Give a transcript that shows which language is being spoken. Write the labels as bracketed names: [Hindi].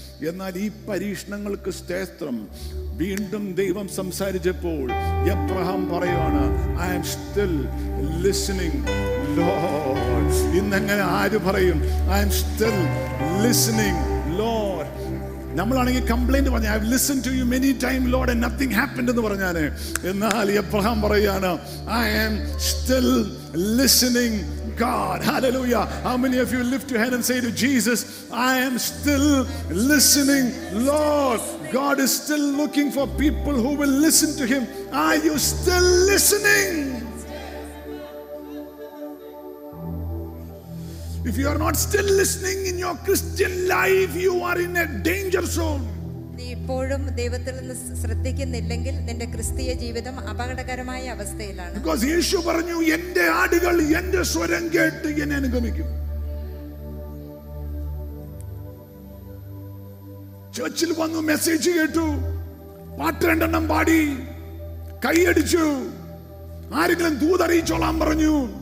[Malayalam] എന്നാൽ ഈ പരീക്ഷണങ്ങൾക്ക് സ്തോത്രം, വീണ്ടും ദൈവം സംസാരിച്ചപ്പോൾ എബ്രഹാം പറയുകയാണ്, [English] I am still listening Lord. [Malayalam] ഇന്നെങ്ങനെ ആര് പറയും, [English] I am still listening Lord? [Malayalam] നമ്മളാണെങ്കിൽ കംപ്ലൈന്റ് പറഞ്ഞു, [English] I have listened to you many time Lord and nothing happened [Malayalam] എന്ന് പറഞ്ഞാണ്. എന്നാൽ എബ്രഹാം പറയാണ്, [English] I am still listening God. Hallelujah. How many of you lift your hand and say to Jesus, I am still listening, Lord. God is still looking for people who will listen to him. Are you still listening? If you are not still listening in your Christian life, you are in a danger zone. [Malayalam] ഇപ്പോഴും ദൈവത്തിൽ നിന്ന് ശ്രദ്ധിക്കുന്നില്ലെങ്കിൽ നിന്റെ ക്രിസ്തീയ ജീവിതം അപകടകരമായ അവസ്ഥയിലാണ്. Because യേശു പറഞ്ഞു, എൻ്റെ ആടുകൾ എൻ്റെ സ്വരം കേട്ട് എന്നെ അനുഗമിക്കും. ചർച്ചിൽ വന്നു മെസ്സേജ് കേട്ടു, പാട്ട് രണ്ടെണ്ണം പാടി, കൈയടിച്ചു, ആരെങ്കിലും ദൂത് അറിയിച്ചോളാൻ പറഞ്ഞു.